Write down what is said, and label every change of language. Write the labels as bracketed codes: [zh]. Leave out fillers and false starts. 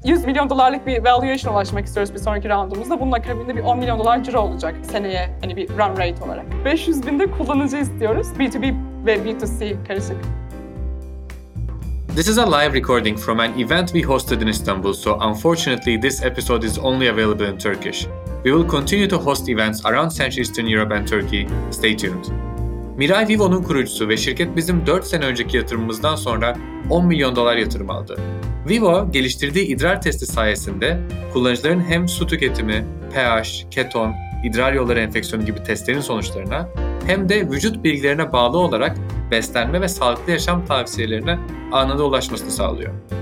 [tr] $100 milyon bir valuation'a ulaşmak istiyoruz bir sonraki roundumuzda. Bunun akabinde bir $10 milyon ciro olacak seneye, hani bir run rate olarak. 500 binde kullanıcı istiyoruz. B2B ve B2C karışık. [en] This is a live recording from an event we hosted in Istanbul, so unfortunately this episode is only available in Turkish. We will continue to host events around Central Eastern Europe and Turkey. Stay tuned. [tr] Miray Vivo'nun kurucusu ve şirket bizim 4 sene önceki yatırımımızdan sonra $10 milyon yatırım aldı. Vivo, geliştirdiği idrar testi sayesinde kullanıcıların hem su tüketimi, pH, keton, idrar yolları enfeksiyonu gibi testlerin sonuçlarına hem de vücut bilgilerine bağlı olarak beslenme ve sağlıklı yaşam tavsiyelerine anında ulaşmasını sağlıyor.